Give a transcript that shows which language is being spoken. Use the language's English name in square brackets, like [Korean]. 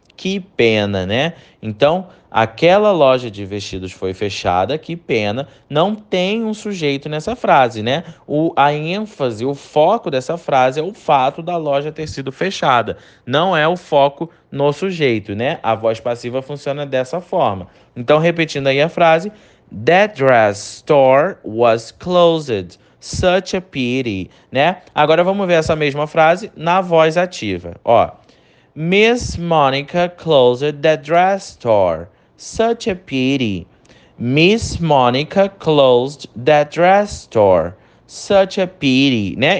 [Portuguese] Que pena, né? Então, aquela loja de vestidos foi fechada. Que pena. Não tem um sujeito nessa frase, né? A ênfase, o foco dessa frase é o fato da loja ter sido fechada. Não é o foco no sujeito, né? A voz passiva funciona dessa forma. Então, repetindo aí a frase: [English] That dress store was closed. Such a pity, [Portuguese] né? Agora vamos ver essa mesma frase na voz ativa. Ó. [English] Miss Monica closed the dress store. Such a pity. Miss Monica closed the dress store. Such a pity, [Portuguese] né?